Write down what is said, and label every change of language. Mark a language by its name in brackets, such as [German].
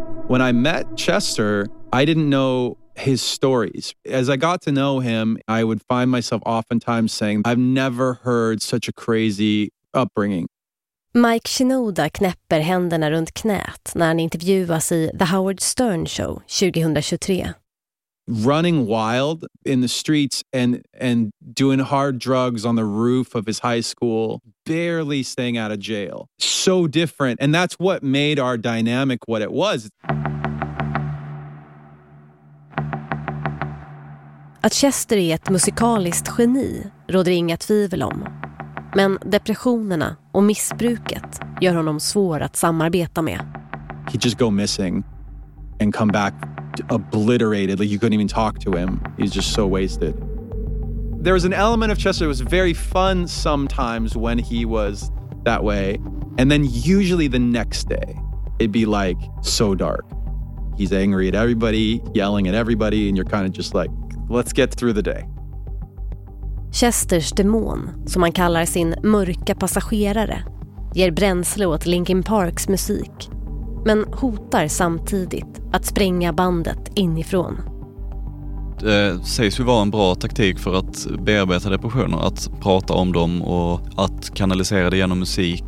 [English] When I met Chester, I didn't know his stories. As I got to know him, I would find myself oftentimes saying, I've never heard such a crazy upbringing. [Swedish] Mike Shinoda knäpper händerna runt knät när han intervjuas i The Howard Stern Show 2023. [English] Running wild in the streets and doing hard drugs on the roof of his high school, barely staying out of jail. So different. And that's what made our dynamic what it was. [Swedish] Att Chester är ett musikaliskt geni råder inga tvivel om. Men depressionerna och missbruket gör honom svår att samarbeta med. [English] He'd just go missing and come back obliterated, like you couldn't even talk to him. He's just so wasted. There was an element of Chester that was very fun sometimes when he was that way, and then usually the next day it'd be like so dark. He's angry at everybody, yelling at everybody, and you're kind of just like, let's get through the day. [Swedish] Chesters demon, som man kallar sin mörka passagerare, ger bränsle åt Linkin Parks musik, men hotar samtidigt att spränga bandet inifrån. Det sägs ju vara en bra taktik för att bearbeta depressioner, att prata om dem och att kanalisera det genom musik.